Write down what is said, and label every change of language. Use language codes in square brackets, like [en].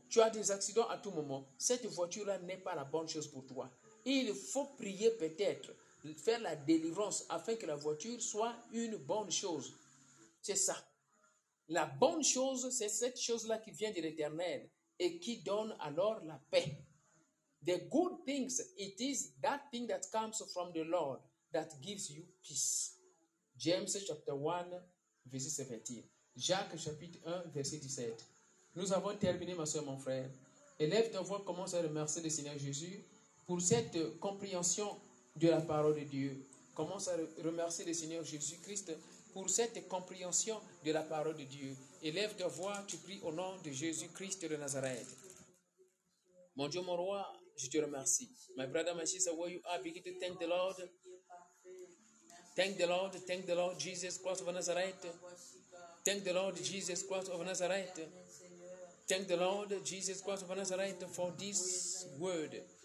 [fr] Tu as des accidents à tout moment. Cette voiture-là n'est pas la bonne chose pour toi. Il faut prier peut-être, faire la délivrance afin que la voiture soit une bonne chose. C'est ça. La bonne chose, c'est cette chose-là qui vient de l'Éternel et qui donne alors la paix. [en] The good things, it is that thing that comes from the Lord that gives you peace. James chapter 1, [fr] verset 17. Jacques chapitre 1, verset 17. Nous avons terminé, ma soeur, mon frère. Élève ta voix, commence à remercier le Seigneur Jésus pour cette compréhension de la parole de Dieu. Commence à remercier le Seigneur Jésus-Christ pour cette compréhension de la parole de Dieu. Élève ta voix, tu pries au nom de Jésus-Christ de Nazareth. Mon Dieu, mon roi, je te remercie. [en] My brother, my sister, where you are, begin to thank the Lord. Thank the Lord, Jesus Christ of Nazareth. Thank the Lord, Jesus Christ of Nazareth. Thank the Lord, Jesus Christ of Nazareth, for this word.